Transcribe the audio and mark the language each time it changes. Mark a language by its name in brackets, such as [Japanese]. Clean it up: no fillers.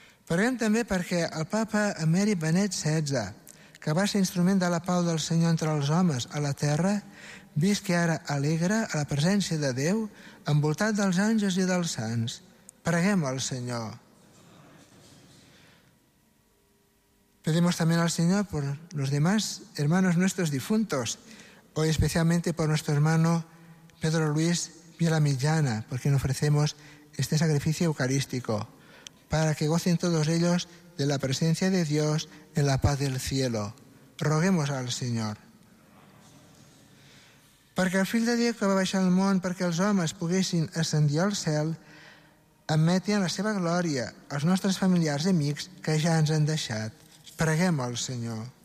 [Catalan] Preguem també perquè el Papa Emèrit Benet XVI, que va ser instrument de la pau del Senyor entre els homes a la terra, visqui ara alegre a la presència de Déu, envoltat dels àngels i dels sants. Preguem al Senyor. [Spanish] Pedimos también al Señor por los demás hermanos nuestros difuntos, hoy especialmente por nuestro hermano Pedro Luis Villamillana, por quien ofrecemos este sacrificio eucarístico, para que gocen todos ellos de la presencia de Dios en la paz del cielo. Roguemos al Señor. [Catalan] Perquè el fill de Déu que va baixar al món perquè els homes poguessin ascendir al cel, admeti en la seva glòria els nostres familiars i amics que ja ens han deixat. Preguem al Senyor.